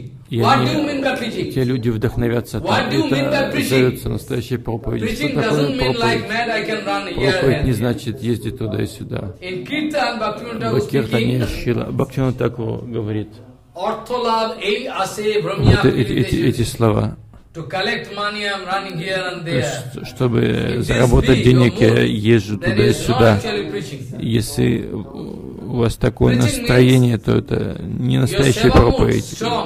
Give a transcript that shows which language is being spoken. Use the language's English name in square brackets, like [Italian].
[Russian] И они, те люди вдохновятся там, это называется настоящей проповедью. Что такое проповедь? Проповедь не значит ездить туда и сюда. В Киртане Шрила Бхактивинода Тхакура говорит эти слова. [English] To collect money, I'm running here and there. [Russian] То есть, чтобы заработать денег, я езжу туда и сюда. Если у вас такое настроение, то это не настоящая проповедь.